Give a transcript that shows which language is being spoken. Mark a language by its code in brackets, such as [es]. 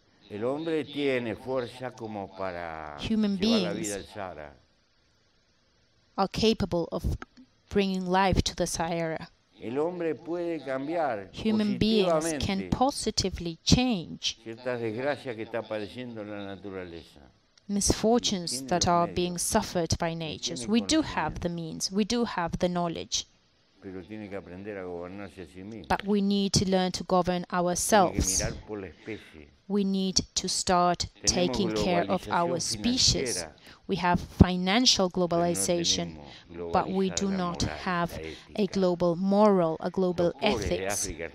[en] Human beings are capable of bringing life to the Sahara. [es] El hombre puede cambiar [en] Human beings can positively change [es] ciertas desgracias que está padeciendo la naturaleza. [en] Misfortunes that are being suffered by nature. We do have the means, we do have the knowledge. [es] Pero tiene que aprender a gobernarse a sí mismo. [en] But we need to learn to govern ourselves. [es] Tiene que mirar por la especie. [en] We need to start [es] tenemos [en] taking care of our Species. We have financial globalization, but we do not have a global moral, a global ethics.